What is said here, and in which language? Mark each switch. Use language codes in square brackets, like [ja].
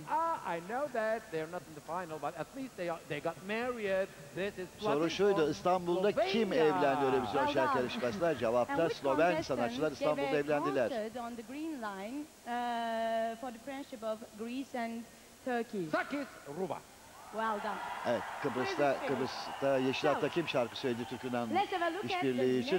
[en] Ah, I know that they're not in the final, but at least they got married. This is. [tr] Soru şuydu, İstanbul'da kim evlendi Eurovision şarkı yarışmasında? Cevapta Sloven sanatçılar İstanbul'da evlendiler. [en] On the green line for the friendship of Greece and Turkey. Sakis Ruba. Well done. [tr] Evet, Kıbrıs'ta Yeşil Hat'ta kim şarkı söyledi Türk'ünün işbirliği için?